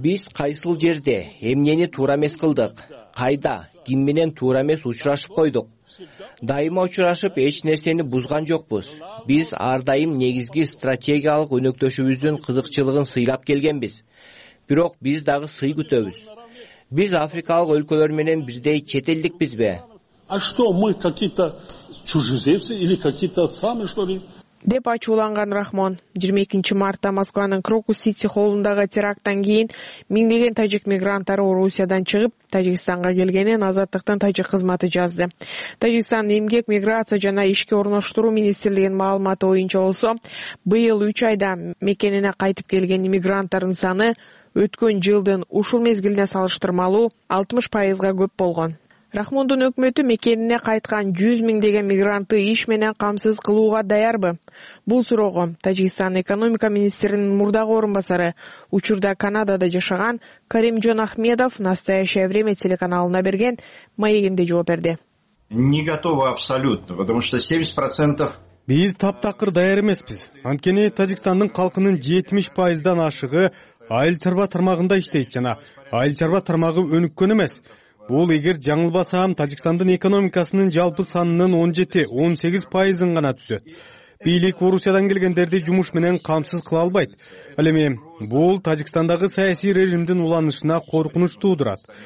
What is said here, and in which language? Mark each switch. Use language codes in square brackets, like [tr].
[ky] Биз кайсыл жерде эмнени туура эмес кылдык? Кайда ким менен туура эмес учурашып койдук? Дайыма учурашып эч нерсени бузган жокпуз. Биз ар дайым негизги стратегиялык өнөктөшүбүздүн кызыкчылыгын сыйлап келгенбиз. Бирок биз дагы сый күтөбүз. Биз африкалык өлкөлөр менен бирдей чет элдик бизби? [ru] А что мы какие-то чужеземцы или какие-то самые что ли? [ky] Деп ачууланган Рахмон 22 мартта Москванын Крокус Сити холундагы терактан кийин миңдеген тажик мигранттары Орусиядан чыгып Тажикстанга келгенин Азаттыктын тажик кызматы жазды. Тажикстандын эмгек, миграция жана ишке орноштуруу министрлигинин маалыматы боюнча болсо, быйыл 3 айда мекенине кайтып келген мигранттардын саны өткөн жылдын ушул мезгилине салыштырмалуу 60% көп болгон. Рахмондун өкмөтү мекенине кайткан 100 000 мигрантты иш менен камсыз кылууга даярбы? Бул суроого Тажикстандын экономика министринин мурдагы орун басары, учурда Канадада жашаган Каримжон Ахмедов Настоящее время телеканалына берген маегинде жооп берди. [ru] Не готовы абсолютно, потому что 70% [ky] биз таптакыр даяр эмеспиз. Анткени Тажикстандын калкынын 70%дан ашыгы айыл чарба тармагында иштейт жана айыл чарба тармагы өнүккөн эмес. Бул эгер жаңылбасам Тажикстандын экономикасынын жалпы санынын 17-18% гана түзөт. Бийлик Орусиядан келгендерди жумуш менен камсыз кыла албайт. Ал эми бул Тажикстандагы саясий режимдин уланышына коркунуч туудурат.